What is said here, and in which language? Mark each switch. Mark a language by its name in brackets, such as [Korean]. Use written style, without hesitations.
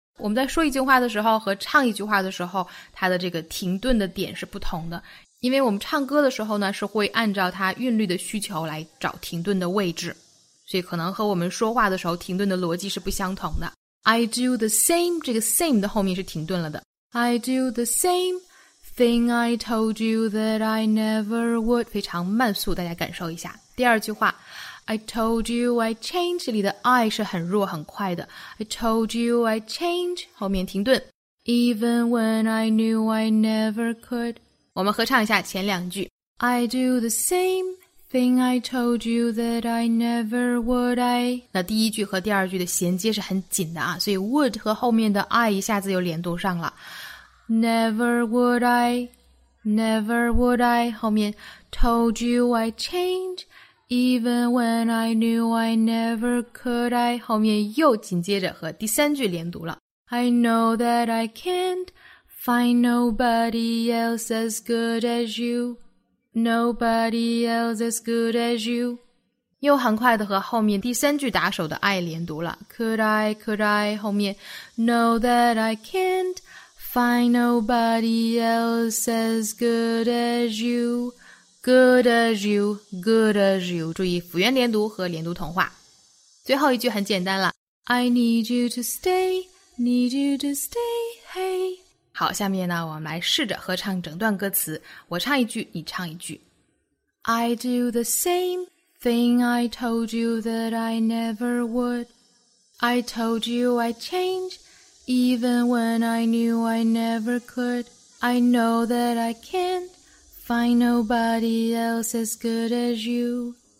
[Chinese] 我们在说一句话的时候和唱一句话的时候它的这个停顿的点是不同的。因为我们唱歌的时候呢是会按照它韵律的需求来找停顿的位置。所以可能和我们说话的时候停顿的逻辑是不相同的。 [English] I do the same, [Chinese] 这个 same 的后面是停顿了的。 [English] I do the same thing I told you that I never would. [Chinese] 非常慢速大家感受一下。第二句话 [English] I told you I change [Chinese] 这里的 I 是很弱很快的 [English] I told you I change [Chinese] 后面停顿 [English] Even when I knew I never could [Chinese] 我们合唱一下前两句 [English] I do the same thing I told you that I never would I [Chinese] 那第一句和第二句的衔接是很紧的啊所以 would 和后面的 I 一下子又连读上了 [English] Never would I Never would I [Chinese] 后面 [English] told you I changeEven when I knew I never could I [Chinese] 后面又紧接着和第三句连读了 [English] I know that I can't find nobody else as good as you Nobody else as good as you [Chinese] 又很快的和后面第三句打手的爱连读了 [English] could I [Chinese] 后面 [English] know that I can't find nobody else as good as youGood as you, good as you. [Chinese] 注意辅元连读和连读同化。最后一句很简单了。 [English] I need you to stay, need you to stay, hey. [Chinese] 好，下面呢，我们来试着合唱整段歌词。我唱一句，你唱一句。 [English] I do the same thing I told you that I never would. I told you I'd change, even when I knew I never could. I know that I can't. Find nobody else as good as you.